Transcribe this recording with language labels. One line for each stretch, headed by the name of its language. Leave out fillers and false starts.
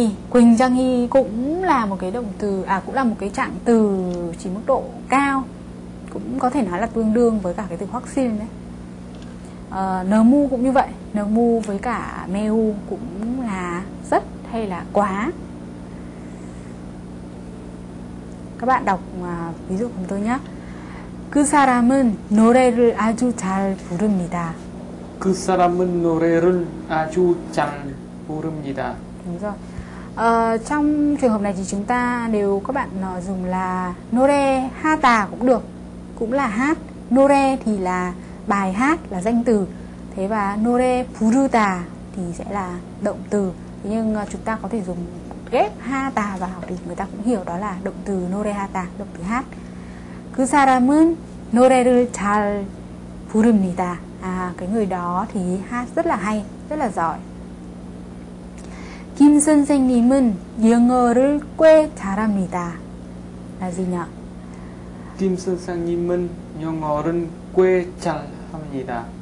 Vietnamese: Quỳnh trang hi cũng là một cái động từ, cũng là một cái trạng từ chỉ mức độ cao, cũng có thể nói là tương đương với cả cái từ Hwaksil đấy. Nờ mu cũng như vậy, nờ mu với cả meu cũng là rất hay là quá. Các bạn đọc ví dụ cùng tôi nhé.
Korean: 그 사람은 노래를 아주 잘 부릅니다. 그 사람은 노래를 아주 잘 부릅니다.
Vietnamese: Đúng rồi. Trong trường hợp này thì chúng ta, nếu các bạn dùng là
Korean: 노래 하다
Vietnamese: cũng được, cũng là hát. 노래 thì là bài hát, là danh từ. Thế và
Korean: 노래 부르다
Vietnamese: thì sẽ là động từ. Nhưng chúng ta có thể dùng ghép 하다 vào thì người ta cũng hiểu đó là động từ
Korean: 노래 하다,
Vietnamese: động từ hát.
Korean: 그 사람은 노래를 잘 부릅니다.
Vietnamese: Cái người đó thì hát rất là hay, rất là giỏi.
Korean: 김 선생님은 영어를 꽤 잘합니다. 나지냐? 김 선생님은 영어를 꽤 잘합니다.